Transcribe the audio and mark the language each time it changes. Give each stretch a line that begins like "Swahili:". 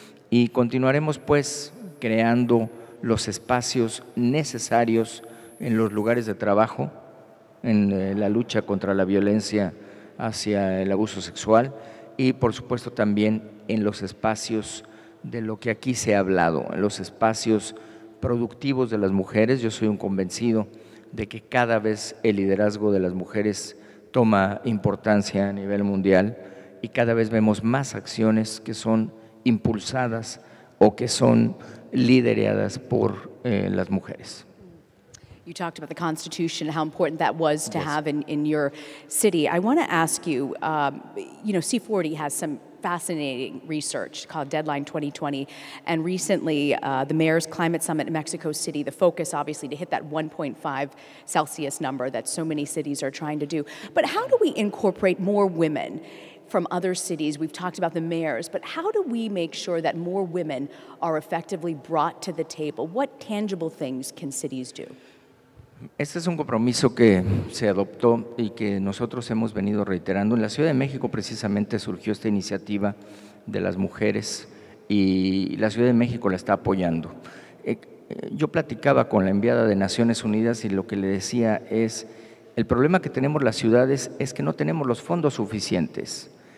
Spanish: Y continuaremos, pues, creando los espacios necesarios en los lugares de trabajo, en la lucha contra la violencia hacia el abuso sexual y, por supuesto, también en los espacios de lo que aquí se ha hablado, en los espacios productivos de las mujeres. Yo soy un convencido de que cada vez el liderazgo de las mujeres toma importancia a nivel mundial y cada vez vemos más acciones que son impulsadas o que son lideradas por las mujeres.
English: You talked about the Constitution, how important that was to have in your city. I want to ask you, you know, C40 has some fascinating research called Deadline 2020, and recently the mayor's climate summit in Mexico City, the focus obviously to hit that 1.5 Celsius number that so many cities are trying to do. But how do we incorporate more women from other cities? We've talked about the mayors, but how do we make sure that more women are effectively brought to the table? What tangible things can cities do?
Spanish: Este es un compromiso que se adoptó y que nosotros hemos venido reiterando. En la Ciudad de México precisamente surgió esta iniciativa de las mujeres y la Ciudad de México la está apoyando. Yo platicaba con la enviada de Naciones Unidas y lo que le decía es, el problema que tenemos las ciudades es que no tenemos los fondos suficientes.